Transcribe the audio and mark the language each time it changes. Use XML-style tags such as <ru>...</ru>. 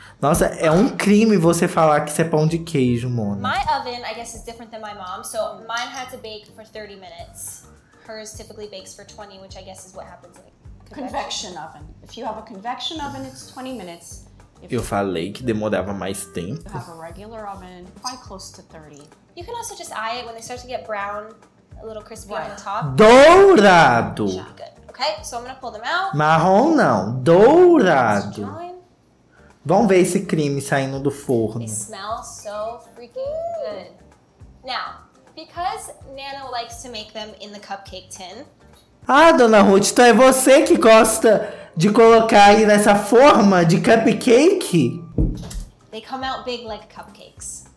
<pt>Nossa, é um crime você falar que isso é pão de queijo, Mona.</pt> <en>My oven, I guess, is different than my mom. So mine had to bake for 30 minutes. Hers typically bakes for 20, which I guess is what happens. Like, convection oven. If you have a convection oven, it's 20 minutes. If</en> <pt>eu falei que demorava mais tempo.</pt> <en>You have a regular oven, quite close to 30. You can also just eye it when they start to get brown, a little crispy on the top.</en> <pt>Dourado!</pt> <en>Okay, so I'm gonna pull them out.</en> <pt>Marrom não, dourado. Vamos ver esse creme saindo do forno.</pt> <en>It smells so freaking good. Now, because Nana likes to make them in the cupcake tin.</en> <pt>Ah, Dona Ruth, então é você que gosta de colocar aí nessa forma de cupcake?</pt> <en>They come out big like cupcakes.</en>